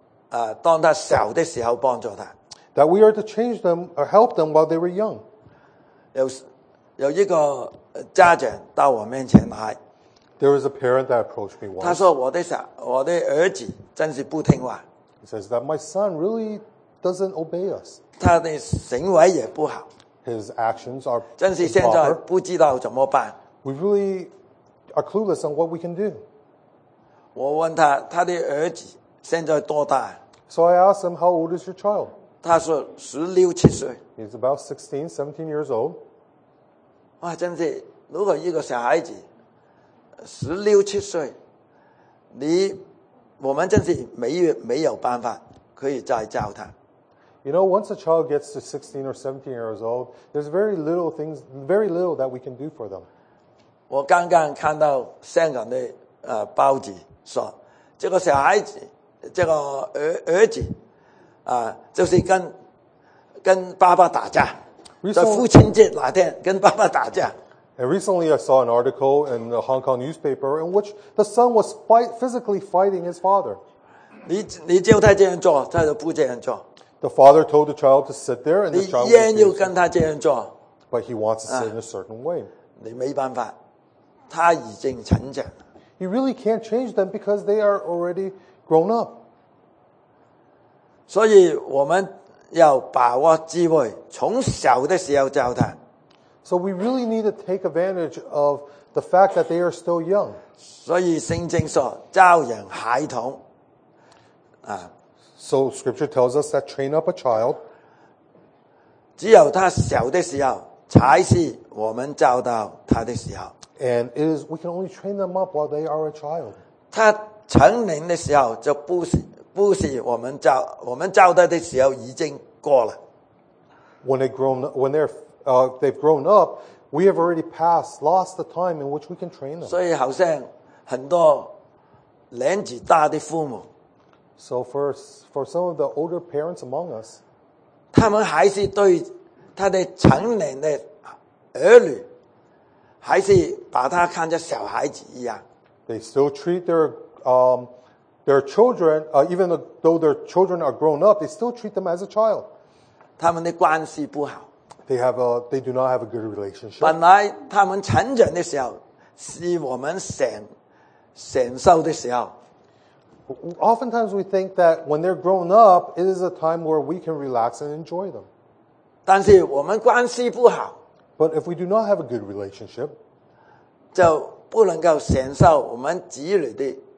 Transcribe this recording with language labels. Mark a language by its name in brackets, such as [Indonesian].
[English] that we are to change them or help them while they were young. [Chinese] 有一个家长到我面前来, [English] there was a parent that approached me once. [Chinese] 他说我的儿子真是不听话, [English] he says that my son really doesn't obey us. [Chinese] 他的行为也不好, [English] his actions are improper. [Chinese] 真是现在不知道怎么办, [English] we really are clueless on what we can do. [Chinese] 我问他, 他的儿子现在多大? [English] So I asked him, how old is your child? [Chinese] 他说16、17岁, [English] he's about 16, 17 years old. [Chinese] 哇,真是, 如果一个小孩子, 16、17岁, 你, 我们真是没有办法可以再教他。 [English] You know, once a child gets to 16 or 17 years old, there's very little that we can do for them. [Chinese] 我刚刚看到香港的报纸说, 这个小孩子, 这个儿子, 就是跟爸爸打架, 在父亲节那天跟爸爸打架。 [English] And recently I saw an article in the Hong Kong newspaper in which the son was physically fighting his father. [Chinese] 你叫他这样做, [English] the father told the child to sit there and the child was refusing. [Chinese] 你依然要跟他这样做, [English] but he wants to sit in a certain way. [Chinese] 你没办法, 他已经成长, [English] you really can't change them because they are already grown up. [Chinese] 所以我们要把握机会, 从小的时候教他, [English] so we really need to take advantage of the fact that they are still young. [Chinese] 所以圣经说, 教养孩童, [English] so scripture tells us that train up a child. [Chinese] 只有他小的时候, 才是我们教导他的时候, [English] and it is, we can only train them up while they are a child. [Chinese] 他成年的时候, 就不是我们教导的时候已经过了。 [English] They've grown up, we have already passed, lost the time in which we can train them. [Chinese] 所以好像很多年纪大的父母, [English] so for some of the older parents among us, [Chinese] 他们还是对他的成年的儿女, 还是把他看着小孩子一样, [English] they still treat their children, even though their children are grown up, they still treat them as a child. [Chinese] 他们的关系不好, [English] they do not have a good relationship. [Chinese] 本来他们成长的时候, 是我们享受的时候, [English] oftentimes we think that when they're grown up, it is a time where we can relax and enjoy them. [Chinese] 但是我们关系不好, [English] but if we do not have a good relationship, [Chinese] 就不能够享受我们子女的,